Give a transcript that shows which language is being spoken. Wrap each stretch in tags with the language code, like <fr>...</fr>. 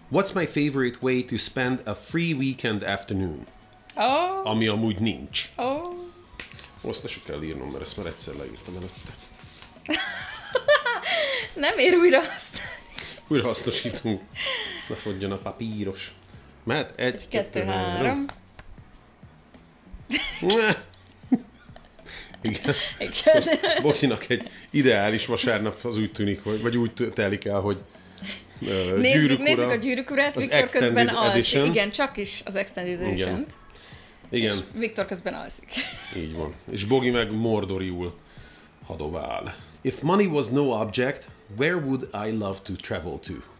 <en>What's my favorite way to spend a free weekend afternoon? Oh.</en> <hu>Ami amúgy nincs. Oh. Azt is kell írnom, mert ezt már egyszer leírtam előtte. Nem ér újra használni. Újra hasznosítunk. Ne fogjon a papíros. Mert 1, 2, 3. Igen. Igen. Bokinak egy ideális vasárnap az úgy tűnik, hogy, vagy úgy telik el, hogy gyűrűk ura. Nézzük a gyűrűk urát, Viktor közben alszik. Igen, csak is az extended edition-t. Igen. És Viktor közben alszik. Így van. És Bogi meg Mordoriul hadovál.</hu> <en>If money was no object, where would I love to travel to?</en>